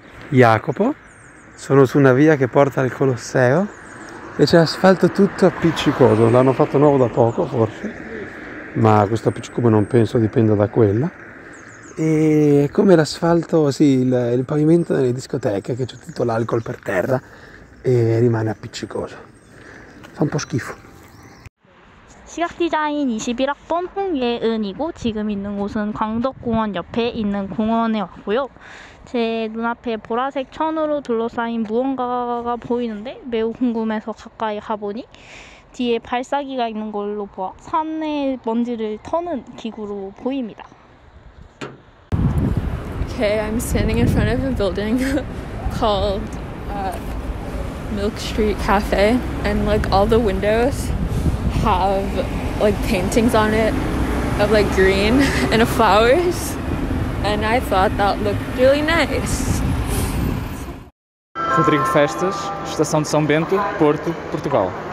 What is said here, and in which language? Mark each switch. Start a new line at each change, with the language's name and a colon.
Italian: Jacopo, sono su una via che porta al Colosseo e c'è asfalto tutto appiccicoso, l'hanno fatto nuovo da poco forse, ma questo appiccicoso non penso dipenda da quella. E come l'asfalto, sì, il pavimento delle discoteche, che c'è tutto l'alcol per terra e rimane appiccicoso. Fa un po' schifo.
Korean: 시각 디자인 21학번 홍예은이고 지금 있는 곳은 광덕공원 옆에 있는 공원에 왔고요. 제 눈앞에 보라색 천으로 둘러싸인 무언가가 보이는데 매우 궁금해서 가까이 가보니 뒤에 발사기가 있는 걸로 보아 산내 먼지를 터는 기구로 보입니다.
English: Okay, I'm standing in front of a building called Milk Street Cafe and like all the windows have like paintings on it of like green and flowers. And I thought that looked really nice.
Portuguese: Rodrigo Festas, Estação de São Bento, Porto, Portugal.